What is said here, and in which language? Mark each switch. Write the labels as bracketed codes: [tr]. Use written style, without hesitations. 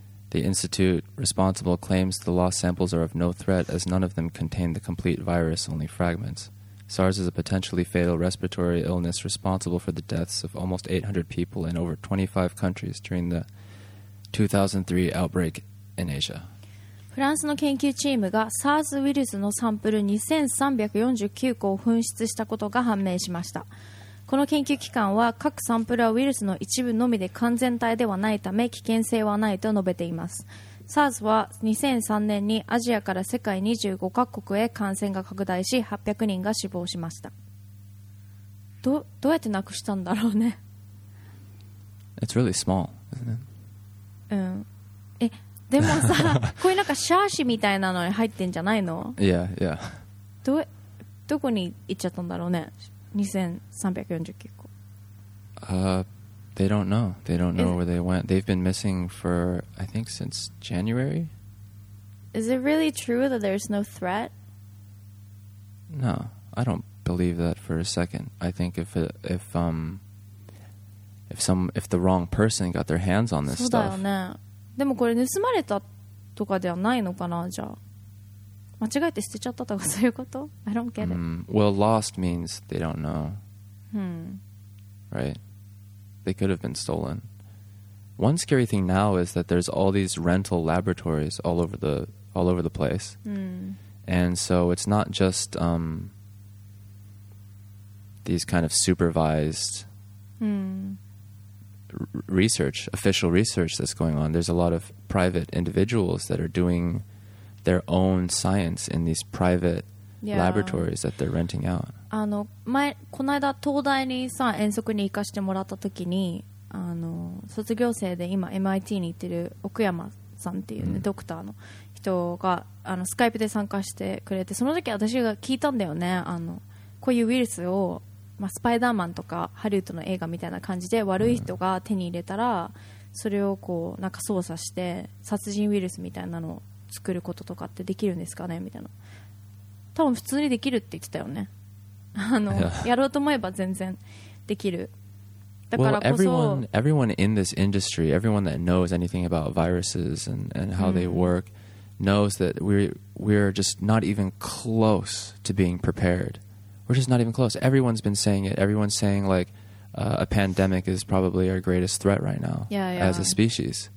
[en] The institute responsible claims the lost samples are of no threat as none of them contain the complete virus, only fragments. SARS is a potentially fatal respiratory illness responsible for the deaths of almost 800 people in over 25 countries during the 2003 outbreak in Asia. [ja] フランスの研究チームが SARS ウイルスのサンプル2349個を紛失したことが判明しました。この研究機関は各サンプルはウイルスの一部のみで完全体ではないため危険性はないと述べています。 SARS は2003年にアジアから世界25カ国へ感染が拡大し800人が死亡しました。どうやってなくしたんだろうね。 [en] It's really small, isn't it? [ja] うん。でもさ、こういうなんかシャーシみたいなのに入ってんじゃないの？ [en] Yeah, yeah. [ja] どこに行っちゃったんだろうね、2349個。 [en] They don't know. They don't know where they went. They've been missing for, I think, since January. Is it really true that there's no threat? No, I don't believe that for a second. I think if the wrong person got their hands on this stuff. [ja] そうだよね。でもこれ盗まれたとかではないのかな、じゃあ。間違えて捨てちゃったとかそういうこと？ [en] I don't get it. Well, lost means they don't know. Right? They could have been stolen. One scary thing now is that there's all these rental laboratories all over the place. And so it's not just these kind of supervised... research, official research that's going on. There's a lot of private individuals that are doing their own science in these private laboratories that they're renting out. [ja] あの、前、この間東大にさ、遠足に行かしてもらった時に、あの、卒業生で今 MIT に行ってる奥山さんっていうね、ドクターの人人がスカイプで参加してくれて、その時私が聞いたんだよね、こういうウイルスを、まあ、スパイダーマンとかハリウッドの映画みたいな感じで悪い人が手に入れたら、それをこうなんか操作して殺人ウイルスみたいなのを作ることとかってできるんですかねみたいな。多分普通にできるって言ってたよね。やろうと思えば全然できる。だからこそ、 [en] well, everyone in this industry, everyone that knows anything about viruses and how they work, knows that we're just not even close to being prepared. We're just not even close. Everyone's been saying it. Everyone's saying like, a pandemic is probably our greatest threat right now as a species.